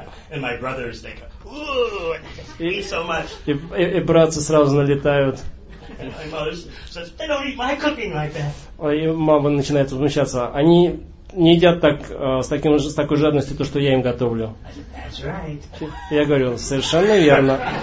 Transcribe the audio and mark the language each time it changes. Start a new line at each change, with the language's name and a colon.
English: And my brothers, they go, "Ooh, thank you so much."
Russian: И братцы сразу налетают.
English: My mother says, "They don't eat my cooking like that."
Russian: И мама начинает возмущаться. Они не едят так, с такой жадностью то, что я им готовлю.
English: Right.
Russian: Я говорю, совершенно верно.